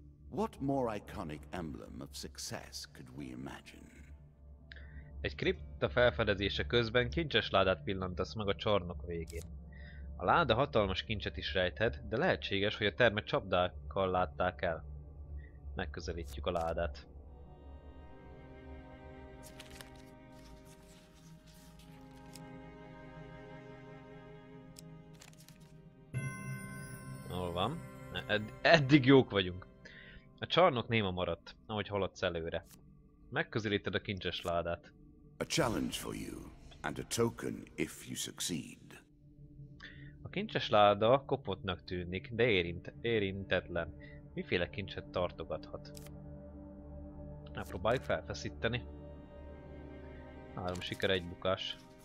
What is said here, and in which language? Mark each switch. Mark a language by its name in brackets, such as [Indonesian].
[English] What more iconic emblem of success could we imagine? [Hungarian] Egy kripta felfedezése közben kincses ládát pillantasz meg a csarnok végén. A láda hatalmas kincset is rejthet, de lehetséges, hogy a termet csapdákkal látták el. Megközelítjük a ládát. Hol van? Eddig jók vagyunk. A csarnok néma maradt, ahogy haladsz előre. Megközelíted a kincses ládát. [English] A challenge for you, and a token if you succeed. [Hungarian] A kincses láda kopottnak tűnik, de érintetlen. Miféle kincset tartogathat? Na, próbáljuk felfeszíteni. Három siker, egy bukás.